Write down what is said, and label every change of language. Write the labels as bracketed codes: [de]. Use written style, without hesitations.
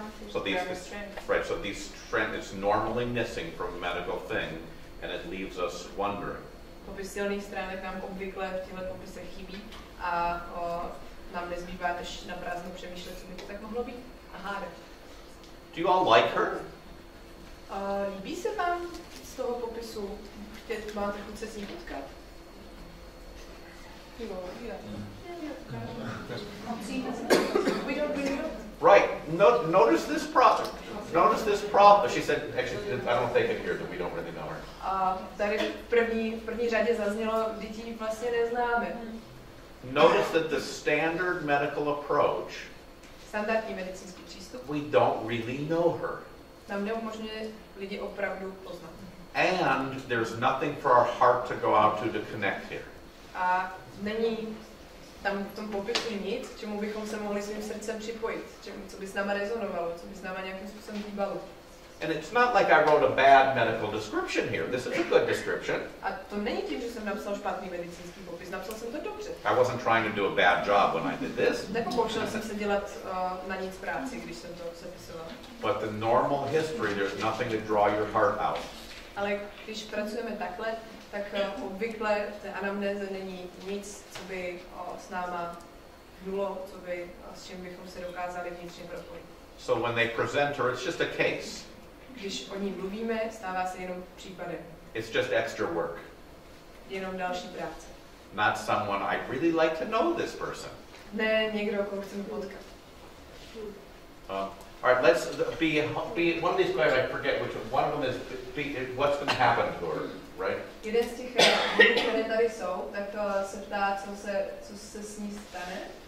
[en] So these strengths is normally missing from a medical thing, and it leaves us wondering. [cs] Popis silných stránek nám obvykle v těchto popisech chybí a nám nezbývá než na prázdno přemýšlet, co by to tak mohlo být a hádat. [en] Do you all like her? [cs] Líbí se vám z toho popisu, chtět máte chuť se s ní potkat? [en] We don't really know. Right. Notice this problem. Notice this problem. She said, actually, I don't think it here that we don't really know her. [cs] Tady v první řadě zaznělo, když ji vlastně neznáme. [en] Notice that the standard medical approach. [cs] Standardní medicínský přístup. [en] We don't really know her. [cs] Nám neumožňuje lidi opravdu poznat. [en] And there's nothing for our heart to go out to connect here. [cs] A není tam v tom popisu nic, čemu bychom se mohli svým srdcem připojit, čemu, co by s náma rezonovalo, co by s náma nějakým způsobem hýbalo. [en] And it's not like I wrote a bad medical description here. This is a good description. [cs] A to není tím, že jsem napsal špatný medicínský popis, napsal jsem to dobře. [en] I wasn't trying to do a bad job when I did this. [cs] Nepokoušel jsem se dělat na nic práci, když jsem to zapisoval. [en] But the normal history, there's nothing to draw your heart out. [cs] Ale když pracujeme takhle, tak obvykle v té anamnéze není nic, co by s náma hnulo, co by s čím bychom se dokázali vnitřně propojit. [en] So when they present her, it's just a case. [cs] Když o ní mluvíme, stává se jenom případem. [en] It's just extra work. [cs] Jenom další práce. [en] Not someone I'd really like to know this person. [cs] Ne, někdo, koho chceme potkat. [en] All right, let's be one of these guys, I forget which one, one of them is, be, what's going to happen to her, right? [cs] Jeden z těch lidí, které tady jsou, tak to se ptá, co se s ní stane.